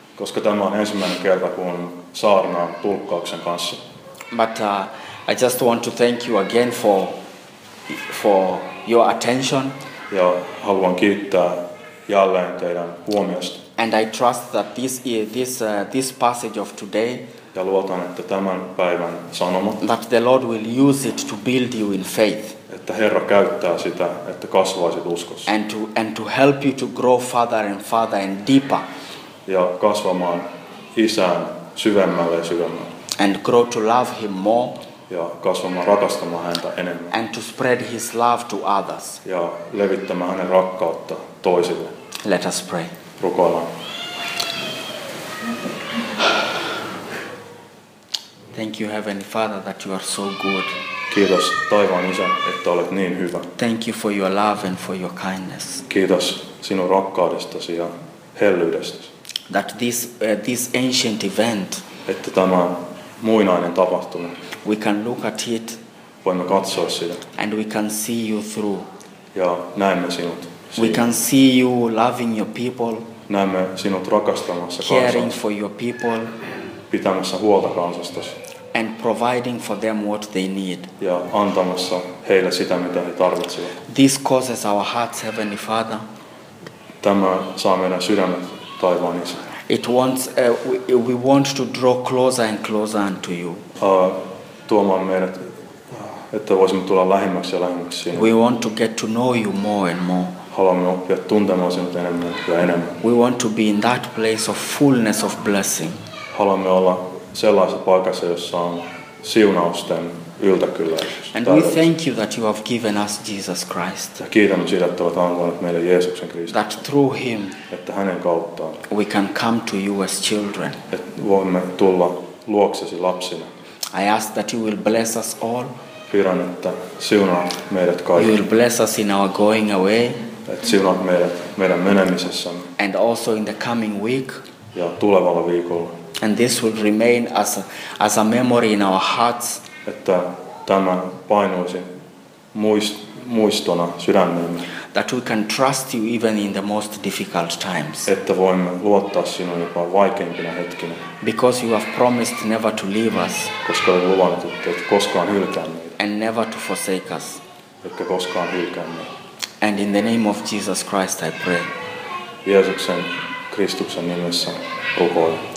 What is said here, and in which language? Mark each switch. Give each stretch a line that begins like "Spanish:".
Finnish: Koska tämä on ensimmäinen kerta, kun saarnaan tulkkauksen kanssa.
English: But I just want to thank you again for your attention.
Finnish: Ja haluan kiittää jälleen teidän huomiosta.
English: And I trust that this passage of today.
Finnish: Ja luotan, että tämän päivän sanoma.
English: That the Lord will use it to build you in faith.
Finnish: Että Herra käyttää sitä, että kasvaisit uskossa.
English: And to help you to grow further and further and deeper.
Finnish: Ja kasvamaan isään syvemmälle ja syvemmälle.
English: And grow to love him more.
Finnish: Ja kasvamaan rakastamaan häntä enemmän.
English: And to spread his love to others.
Finnish: Ja levittämään hänen rakkautta toisille.
English: Let us pray.
Finnish: Rukoillaan.
English: Thank you, Heavenly Father, that you are so good.
Finnish: Kiitos taivaan Isä, että olet niin hyvä.
English: Thank you for your love and for your kindness.
Finnish: Kiitos sinun rakkaudestasi ja hellyydestäsi.
English: That this ancient event.
Finnish: Että tämä muinainen tapahtuma.
English: We can look at it.
Finnish: Voimme katsoa sitä.
English: And we can see you through.
Finnish: Ja näemme sinut.
English: We can see you loving your people.
Finnish: Näemme sinut rakastamassa kansaa.
English: Caring for your people.
Finnish: Pitämässä huolta kansastasi.
English: And providing for them what they need.
Finnish: Ja antamassa heille sitä, mitä he tarvitsevat.
English: This causes our hearts, Heavenly Father.
Finnish: Tämä saa meidän sydämet taivaan Isä.
English: It wants we want to draw closer and closer unto you.
Finnish: Tuomaan meidät, että voisimme tulla lähemmäksi ja lähemmäksi sinua.
English: We want to get to know you more and more.
Finnish: Haluamme oppia tuntemaan sinut enemmän ja enemmän.
English: We want to be in that place of fullness of blessing.
Finnish: Haluamme olla sellaisessa paikassa, jossa on siunausten yltäkylläisyys.
English: And we thank you that you have given us Jesus Christ.
Finnish: Ja kiitämme siitä, että olet antanut meille Jeesuksen Kristuksen.
English: That through him.
Finnish: Että hänen kauttaan.
English: We can come to you as children.
Finnish: Että voimme tulla luoksesi lapsina.
English: I ask that you will bless us all.
Finnish: Pyydän, että siunaat meidät kaikki.
English: You will bless us in our going away.
Finnish: Että siunaat meidät meidän menemisessämme.
English: And also in the coming week.
Finnish: Ja tulevalla viikolla.
English: And this will remain as a memory in our hearts.
Finnish: Että tämä painuisi muistona sydämiimme.
English: That we can trust you even in the most difficult times.
Finnish: Että voimme luottaa sinuun jopa vaikeimpina hetkinä.
English: Because you have promised never to leave us.
Finnish: Koska olet luvannut, että et koskaan hylkää meitä.
English: And never to forsake us.
Finnish: Etkä koskaan hylkää meitä.
English: And in the name of Jesus Christ I pray.
Finnish: Jeesuksen Kristuksen nimessä rukoilen.